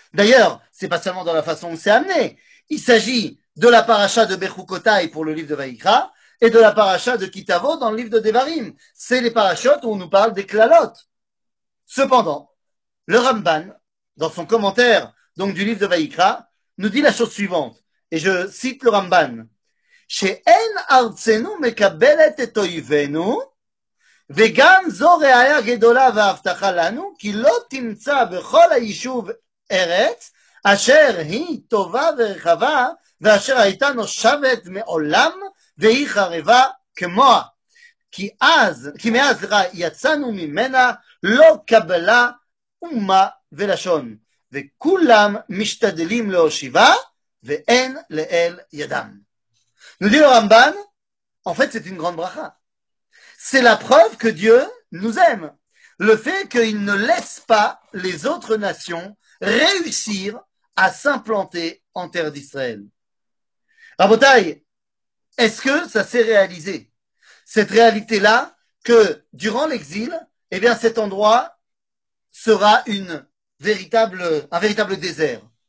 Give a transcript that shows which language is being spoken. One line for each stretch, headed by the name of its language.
French: D'ailleurs, c'est pas seulement dans la façon dont c'est amené. Il s'agit de la paracha de Bechukotai pour le livre de Vaïkra et de la paracha de Kitavo dans le livre de Devarim. C'est les parachotes où on nous parle des klalot. Cependant, le Ramban, dans son commentaire donc du livre de Vaïkra, nous dit la chose suivante, et je cite le Ramban.
Hebrew: שאין ארצנו מקבלת את אויבינו, וגם זו ראיה גדולה והבטחה לנו, כי לא תמצא בכל היישוב ארץ, אשר היא טובה ורחבה, ואשר הייתה נושבת מעולם, והיא חרבה כמוה. כי מאז יצאנו ממנה לא קבלה אומה ולשון, וכולם משתדלים להושיבה, ואין לאל ידם.
French: Nous dit le Ramban, en fait, c'est une grande bracha. C'est la preuve que Dieu nous aime. Le fait qu'il ne laisse pas les autres nations réussir à s'implanter en terre d'Israël. Rabotai, est-ce que ça s'est réalisé? Cette réalité-là, que durant l'exil, eh bien, cet endroit sera un véritable désert.